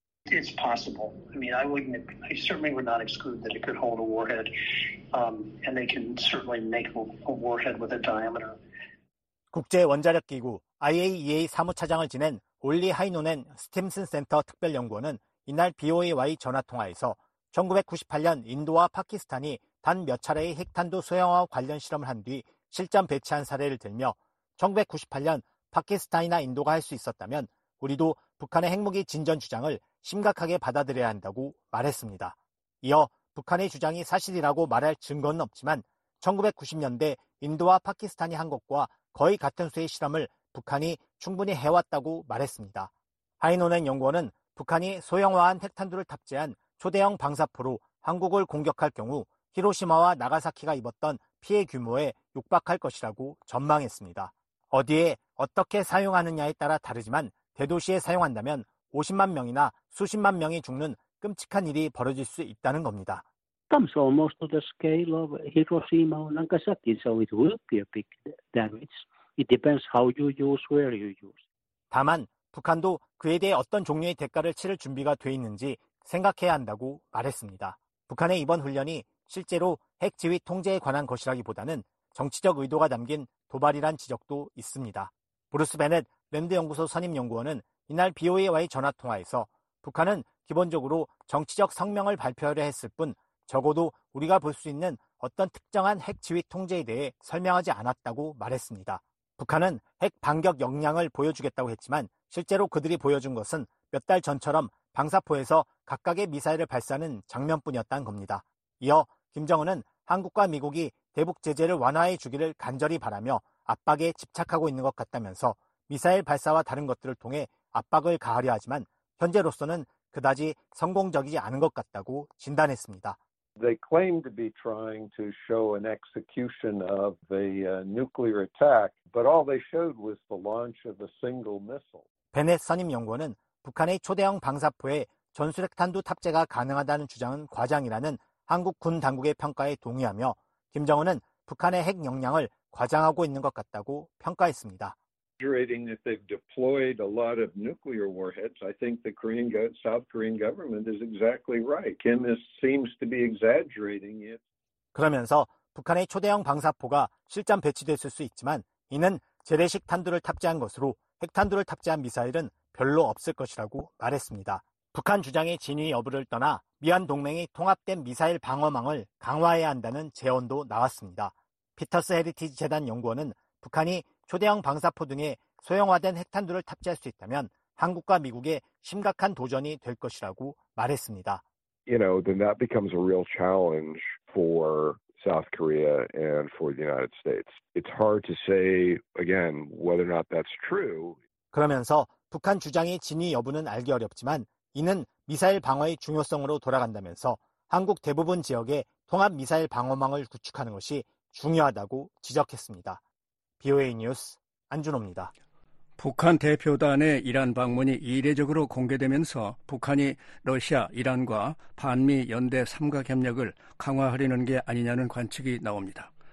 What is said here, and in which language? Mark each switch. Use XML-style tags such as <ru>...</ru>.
<en>It's possible. I mean, I certainly would not exclude that it could hold a warhead, and they can certainly make a warhead with a diameter.</en> <ko>국제 원자력 기구 IAEA 사무차장을 지낸 올리 하이노넨 스팀슨 센터 특별 연구원은 이날 BOA와의 전화 통화에서 1998년 인도와 파키스탄이 단 몇 차례의 핵탄두 소형화 관련 실험을 한 뒤 실전 배치한 사례를 들며 1998년 파키스탄이나 인도가 할 수 있었다면 우리도 북한의 핵무기 진전 주장을 심각하게 받아들여야 한다고 말했습니다. 이어 북한의 주장이 사실이라고 말할 증거는 없지만 1990년대 인도와 파키스탄이 한 것과 거의 같은 수의 실험을 북한이 충분히 해왔다고 말했습니다. 하이노넨 연구원은 북한이 소형화한 핵탄두를 탑재한 초대형 방사포로 한국을 공격할 경우 히로시마와 나가사키가 입었던 피해 규모에 육박할 것이라고 전망했습니다. 어디에 어떻게 사용하느냐에 따라 다르지만 대도시에 사용한다면 50만 명이나 수십만 명이 죽는 끔찍한 일이 벌어질 수 있다는 겁니다.</ko> <en>Comes almost to the scale of Hiroshima and Nagasaki, so it will be a big damage. It depends how you use, where you use.</en> <ko>다만 북한도 그에 대해 어떤 종류의 대가를 치를 준비가 돼 있는지 생각해야 한다고 말했습니다. 북한의 이번 훈련이 실제로 핵 지위 통제에 관한 것이라기보다는 정치적 의도가 담긴 도발이란 지적도 있습니다. 브루스 베넷 랜드 연구소 선임 연구원은 이날 BOA와의 전화 통화에서 북한은 기본적으로 정치적 성명을 발표하려 했을 뿐 적어도 우리가 볼 수 있는 어떤 특정한 핵 지위 통제에 대해 설명하지 않았다고 말했습니다. 북한은 핵 반격 역량을 보여주겠다고 했지만 실제로 그들이 보여준 것은 몇 달 전처럼 방사포에서 각각의 미사일을 발사하는 장면뿐이었다는 겁니다. 이어 김정은은 한국과 미국이 대북 제재를 완화해 주기를 간절히 바라며 압박에 집착하고 있는 것 같다면서 미사일 발사와 다른 것들을 통해 압박을 가하려 하지만 현재로서는 그다지 성공적이지 않은 것 같다고 진단했습니다.</ko> <en>They claim to be trying to show an execution of the nuclear attack, but all they showed was the launch of a single missile.</en> <ko>베넷 선임 연구원은 북한의 초대형 방사포에 전술핵 탄두 탑재가 가능하다는 주장은 과장이라는 한국 군 당국의 평가에 동의하며 김정은은 북한의 핵 역량을 과장하고 있는 것 같다고 평가했습니다.</ko> <en>Exaggerating that they've deployed a lot of nuclear warheads, I think the Korean South Korean government is exactly right. Kim seems to be exaggerating it.</en> <ko>그러면서 북한의 초대형 방사포가 실전 배치됐을 수 있지만 이는 재래식 탄두를 탑재한 것으로 핵탄두를 탑재한 미사일은 별로 없을 것이라고 말했습니다. 북한 주장의 진위 여부를 떠나 미한 동맹이 통합된 미사일 방어망을 강화해야 한다는 제언도 나왔습니다. 피터스 헤리티지 재단 연구원은 북한이 초대형 방사포 등의 소형화된 핵탄두를 탑재할 수 있다면 한국과 미국의 심각한 도전이 될 것이라고 말했습니다.</ko> <en>You know, then that becomes a real challenge for South Korea and for the United States. It's hard to say again whether or not that's true.</en> <ko>그러면서 북한 주장의 진위 여부는 알기 어렵지만 이는 미사일 방어의 중요성으로 돌아간다면서 한국 대부분 지역에 통합 미사일 방어망을 구축하는 것이 중요하다고 지적했습니다. BOA 뉴스 안준호입니다. 북한 대표단의 이란 방문이 이례적으로 공개되면서 북한이 러시아, 이란과 반미 연대 삼각협력을 강화하려는 게 아니냐는 관측이 나옵니다.</ko>